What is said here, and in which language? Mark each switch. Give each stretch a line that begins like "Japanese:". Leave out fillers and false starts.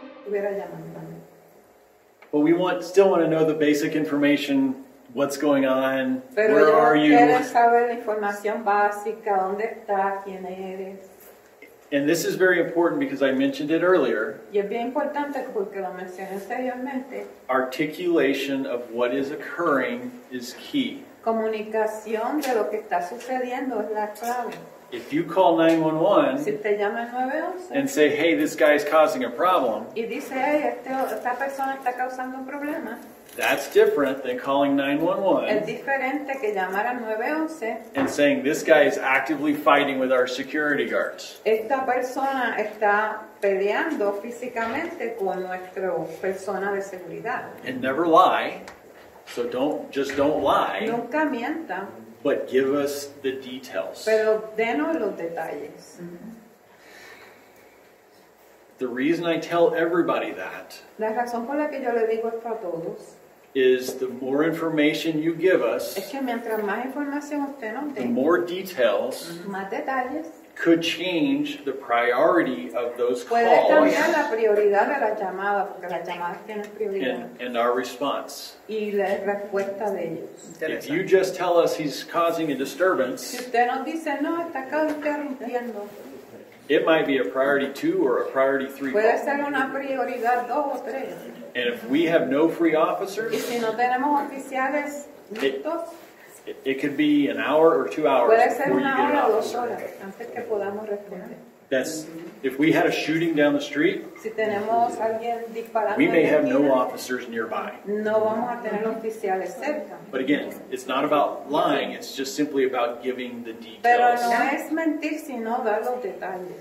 English: But we want still want to know the basic information. What's going on?
Spanish: Pero
English: where are you?
Spanish: Quiero saber la información básica, ¿dónde está? ¿Quién eres?
English: And this is very important because I mentioned it earlier.
Spanish: Y es bien importante porque lo mencioné anteriormente.
English: Articulation of what is occurring is key.
Spanish: Comunicación de lo que está sucediendo es la clave.
English: If you call 911,
Spanish: si te llama 911
English: and say, hey, this guy is causing a problem,
Spanish: y dice, hey, esta persona está causando un problema,
English: that's different than calling 911.
Spanish: Es diferente que llamar a 911
English: and saying this guy is actively fighting with our security guards.
Spanish: Esta persona está peleando físicamente con nuestra persona de seguridad.
English: And never lie. So don't lie.
Spanish: Nunca mienta.
English: But give us the details.
Spanish: Pero denos los detalles. Mm-hmm.
English: The reason I tell everybody that.
Spanish: La razón por la que yo le digo esto a todos.
English: Is the more information you give us,
Spanish: es que mientras más información usted nos dé,
English: the more details,
Spanish: más detalles,
English: could change the priority of those
Spanish: puede
English: calls
Spanish: cambiar la prioridad de las llamadas, porque las llamadas tienen prioridad,
English: and our response.
Spanish: Y la respuesta de ellos.
English: If you just tell us he's causing a disturbance,
Spanish: si usted nos dice, no, está interrumpiendo,
English: it might be a priority 2 or a priority 3
Spanish: puede call. Ser una prioridad 2 o 3.
English: And if we have no free officers,
Spanish: y si no tenemos oficiales listos,
English: it could be an hour or 2 hours
Spanish: puede ser
English: before
Spanish: una
English: you get an officer.
Spanish: Hora o dos horas antes que podamos responder.
English: That's, mm-hmm. If we had a shooting down the street,
Spanish: si tenemos alguien disparando,
English: we may have no officers nearby.
Spanish: No vamos a tener oficiales cerca.
English: But again, it's not about lying, it's just simply about giving the details.
Spanish: Pero no es mentir, sino dar los detalles.